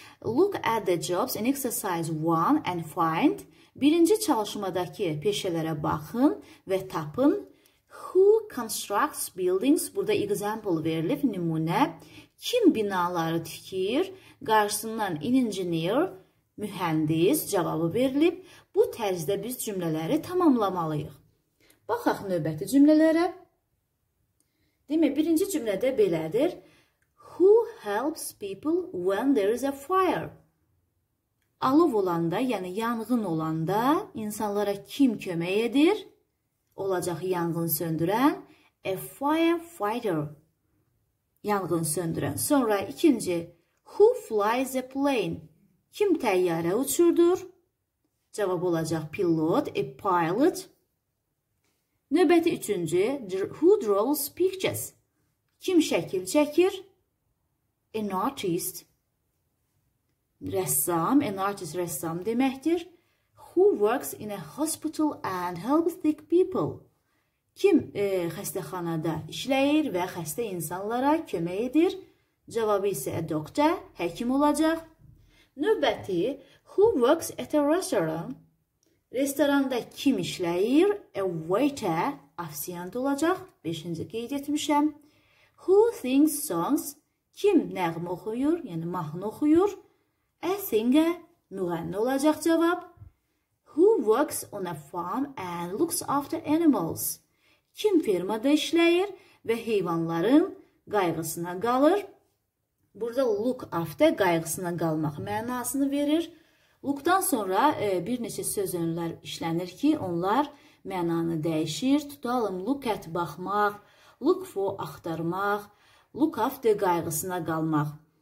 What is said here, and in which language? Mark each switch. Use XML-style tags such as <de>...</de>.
<en>Look at the jobs in exercise 1 and find.</en> <az>Birinci çalışmadakı peşələrə baxın və tapın.</az> <en>Who constructs buildings?</en> <az>Burada example verilib, nümunə. Kim binaları tikir? Qarşısından an engineer, mühəndis cavabı verilib. Bu tərzdə biz cümlələri tamamlamalıyıq. Baxaq növbəti cümlələrə. Demək, birinci cümlədə belədir.</az> <en>Who helps people when there is a fire?</en> <az>Alov olanda, yəni yanğın olanda insanlara kim kömək edir? Olacaq yanğın söndürən.</az> <en>A firefighter.</en> <az>Yanğın söndürən. Sonra ikinci.</az> <en>Who flies a plane?</en> <az>Kim təyyarə uçurdur? Cavab olacaq pilot.</az> <en>A pilot.</en> <az>Növbəti üçüncü,</az> <en>who draws pictures?</en> <az>Kim şəkil çəkir?</az> <en>An artist.</en> <az>Rəssam, an artist rəssam deməkdir.</az> <en>Who works in a hospital and helps sick people?</en> <az>Kim xəstəxanada işləyir və xəstə insanlara kömək edir? Cavabı isə</az> <en>a doctor,</en> <az>həkim olacaq. Növbəti,</az> <en>who works at a restaurant?</en> <az>Restoranda kim işləyir? A waiter, afsiyant olacaq. 5-ci qeyd etmişəm.</az> <en>Who sings songs?</en> <az>Kim nəğmə oxuyur? Yəni mahnı oxuyur. A singer, müğənni olacaq cavab.</az> <en>Who works on a farm and looks after animals?</en> <az>Kim fermada işləyir və heyvanların qayğısına qalır? Burada look after qayğısına qalmaq mənasını verir. Look'dan sonra bir neçə söz önlər işlənir ki, onlar mənanı dəyişir. Tutalım, look at baxmaq, look for axtarmaq, look after qayğısına qalmaq.</az>